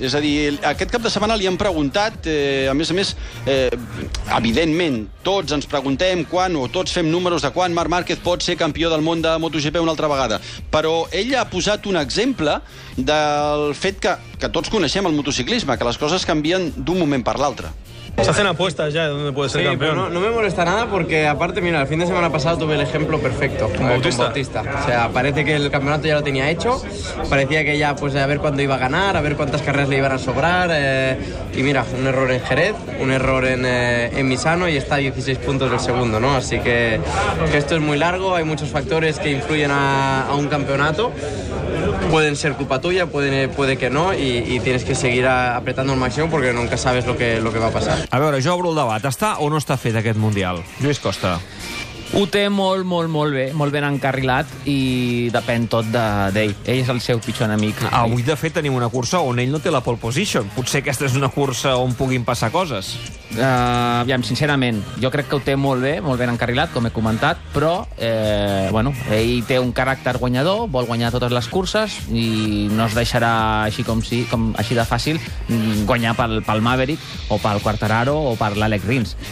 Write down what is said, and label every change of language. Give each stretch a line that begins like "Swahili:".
Catalan: És a dir, aquest cap de setmana li han preguntat, a més, evidentment, tots ens preguntem quan, o tots fem números de quan Marc Márquez pot ser campió del món de MotoGP una altra vegada. Però ell ha posat un exemple del fet que tots coneixem el motociclisme, que les coses canvien d'un moment per l'altre.
Spanish: Se hacen apuestas ya de dónde puede ser campeón. No, me molesta nada porque, aparte, mira, el fin de semana pasado tuve el ejemplo perfecto. Con Bautista. O sea, parece que el campeonato ya lo tenía hecho. Parecía que ya, pues, a ver cuándo iba a ganar, a ver cuántas carreras le iban a sobrar. Y mira, un error en Jerez, un error en Misano y está a 16 puntos del segundo, ¿no? Así que esto es muy largo, hay muchos factores que influyen a un campeonato. Pueden ser culpa tuya, puede que no, y tienes que seguir apretando al máximo porque nunca sabes lo que va a pasar.
Catalan: A veure, jo obro el debat. Està o no està fet aquest Mundial? Lluís Costa. Ho té molt, molt, molt ben encarrilat i depèn tot d'ell. Ell és el seu pitjor enemic. Avui, de fet, tenim una cursa on ell no té la pole position. Potser aquesta és una cursa on puguin passar coses. Aviam, sincerament, jo crec que ho té molt ben encarrilat, com he comentat, però, bueno, ell té un caràcter guanyador, vol guanyar totes les curses i no es deixarà així com si, com així de fàcil guanyar pel Maverick o pel Quartararo o per l'Àlex Rins.